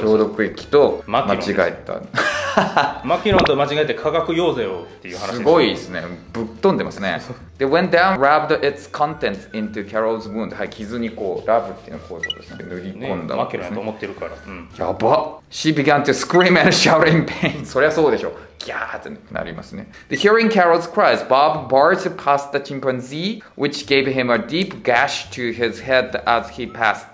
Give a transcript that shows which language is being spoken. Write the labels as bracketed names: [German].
[Japanese] です、消毒液と間違えた、マキロンと間違えて化学溶剤をっていう話です。すごいですね、ぶっ飛んでますね。で、 [English] when Dan rubbed its contents into Carol's wound、 [Japanese] はい、傷にこう、ラブっていうのはこういうことですね、塗り込んだのですね、マキロンと思ってるから、うん、やば。 [English] She began to scream and shout in pain。 [Japanese] そりゃそうでしょ、ギャーってなりますね。 [English] The hearing Carol's cries, Bob barged past the chimpanzee, which gave him a deep gash to his head as he passed。